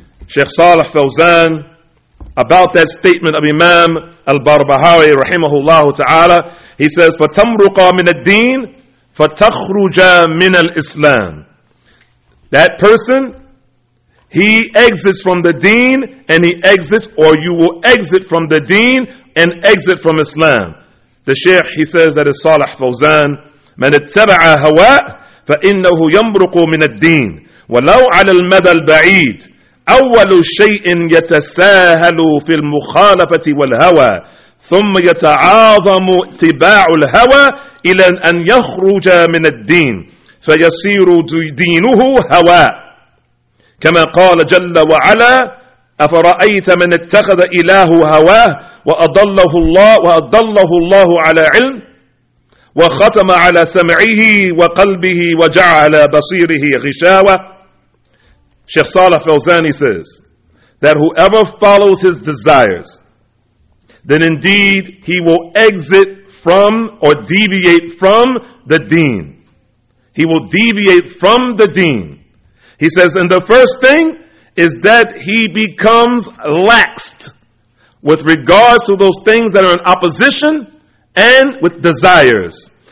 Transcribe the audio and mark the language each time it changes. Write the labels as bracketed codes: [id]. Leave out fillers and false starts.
[en] Sheikh Saleh Fawzan, about that statement of Imam Al-Barbahari rahimahullahu ta'ala, he says, [ar] فَتَمْرُقَ مِنَ الدِّينِ فَتَخْرُجَ مِنَ الْإِسْلَامِ. [en] That person, he exits from the deen and he exits, or you will exit from the deen and exit from Islam. The Shaykh, he says, that is Saleh Fawzan, [ar] مَنْ اتَّبَعَ هَوَىٰ فَإِنَّهُ يَمْرُقُ مِنَ الدِّينِ وَلَوْ عَلَى الْمَدَى الْبَعِيدِ أول شيء يتساهل في المخالفة والهوى ثم يتعاظم اتباع الهوى إلى أن يخرج من الدين فيصير دينه هوى كما قال جل وعلا أفرأيت من اتخذ إله هواه وأضله الله على علم وختم على سمعه وقلبه وجعل بصيره غشاوة. [en] Sheikh Saleh Fawzani says that whoever follows his desires, then indeed he will exit from or deviate from the deen. He will deviate from the deen. He says, and the first thing is that he becomes laxed with regards to those things that are in opposition and with desires.